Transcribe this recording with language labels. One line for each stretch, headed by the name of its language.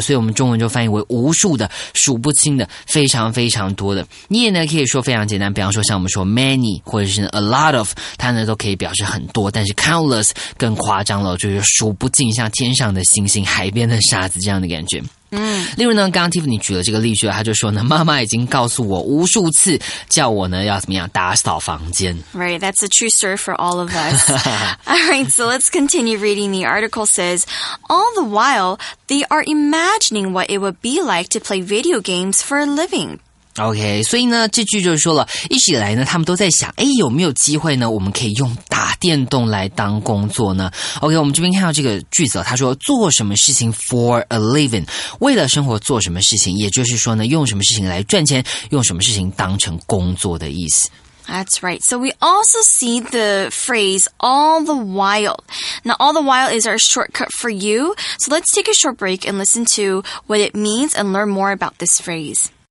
Chinese: 所以我们中文就翻译为无数的数不清的非常非常多的你也呢可以说非常简单比方说像我们说 many 或者是 a lot of 它呢都可以表示很多但是 countless 更夸张了就是数不尽像天上的星星海边的沙子这样的感觉例如呢刚刚 Tiffany 举了这个例子他就说呢妈妈已经告诉我无数次叫我呢要怎么样打扫房间
English: Right, that's a true story for all of us Alright, so let's continue reading. The article says All the while, they are imagining what it would be like to play video games for a living
Chinese: OK, 所以呢这句就是说了一直以来呢他们都在想诶有没有机会呢我们可以用打电动来当工作呢 ?OK, 我们这边看到这个句子他说做什么事情 for a living, 为了生活做什么事情也就是说呢用什么事情来赚钱用什么事情当成工作的意思。
English: That's right. So we also see the phrase all the while. Now, all the while is our shortcut for you. So let's take a short break and listen to what it means and learn more about this phrase.